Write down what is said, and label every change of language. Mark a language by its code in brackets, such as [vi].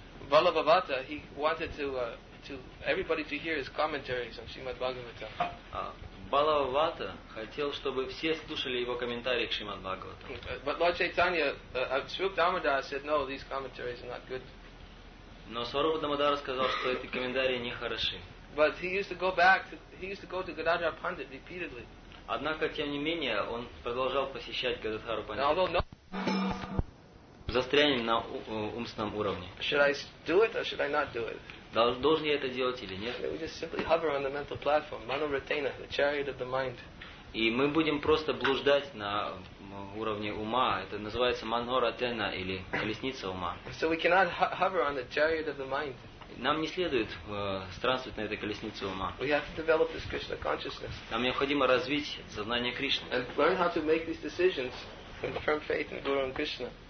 [en] Vallabhavata, he wanted to everybody to hear his commentaries on Srimad Bhagavatam. [ru] Балавата хотел, чтобы все слушали его комментарии к Шримад Бхагаватам. [en] But Lord Chaitanya, Swarupa Damodara said, no, these commentaries are not good. [ru] Но Сварупа Дамодара сказал, что эти комментарии не хороши. [en] But he used to go to Gadadhar Pandit repeatedly. [ru] Однако тем не менее он продолжал посещать Гададхару Пандита. [en] Although no. [ru] Застрянем на умственном уровне. [en] Should I do it or should I not do it? [ru] Должен я это делать или нет? [en] We just simply hover on the mental platform, mano retainer, the chariot of the mind. [ru] И мы будем просто блуждать на уровне ума. Это называется mano retainer или колесница ума. [en] So we cannot hover on the chariot of the mind. [ru] Нам не следует странствовать на этой колеснице ума. [en] We have to develop this Krishna consciousness. [ru] Нам необходимо развить сознание Кришны. [en] And learn how to make these decisions with firm faith in Guru and Krishna.